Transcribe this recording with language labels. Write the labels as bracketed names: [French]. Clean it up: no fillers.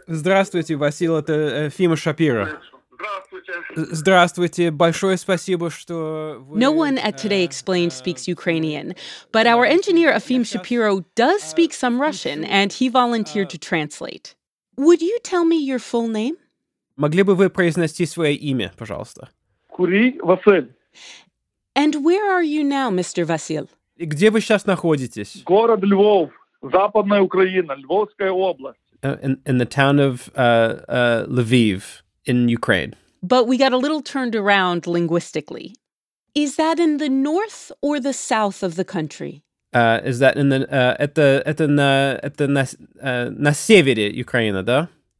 [Russian] Здравствуйте, Василий, это Фима Шапира. Здравствуйте. Здравствуйте. Большое спасибо, что вы... [English] No one at Today Explained speaks Ukrainian, but our engineer Afim Shapiro does speak some Russian, and he volunteered to translate. Would you tell me your full name? [Russian] Могли бы вы произнести свое имя, пожалуйста? Кури Василь. [English] And where are you now, Mr. Vasil? [Russian] Где вы сейчас находитесь? Город Львов, Западная Украина, Львовская область. [English] In the town of Lviv in Ukraine. But we got a little turned around linguistically. Is that in the north or the south of the country? Is that in the at the [Russian] на севере Украины, да?